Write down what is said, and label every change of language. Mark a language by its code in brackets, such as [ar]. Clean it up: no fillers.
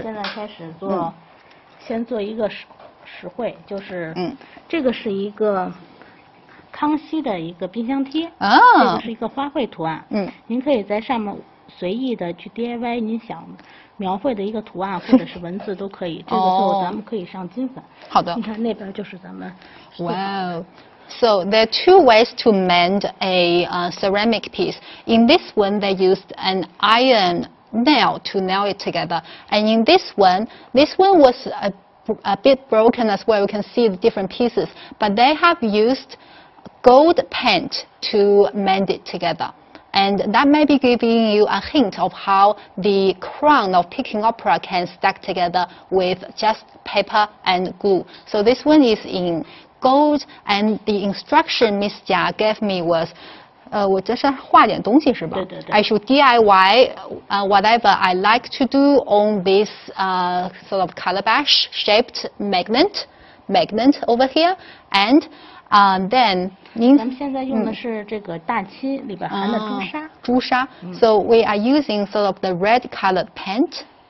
[zh] 现在开始做，先做一个实惠，就是，这个是一个康熙的一个冰箱贴，这个是一个花卉图案，您可以在上面随意的去 DIY 您想描绘的一个图案或者是文字都可以，这个时候咱们可以上金粉。好的。你看那边就是咱们。 [en] Wow. So there are two ways to mend a ceramic piece. In this one, they used an iron nail to nail it together. And in this one was a bit broken as well. You can see the different pieces. But they have used gold paint to mend it together. And that may be giving you a hint of how the crown of Peking Opera can stack together with just paper and glue. So this one is in... gold, and the instruction Miss Jia gave me was, [zh] 我这是画点东西是吧？对对对。 [en] I should DIY, whatever I like to do on this, sort of calabash shaped magnet over here, and, then, [zh] 咱们现在用的是这个大漆里边含的朱砂。朱砂。 [en] So we are using sort of the red colored paint.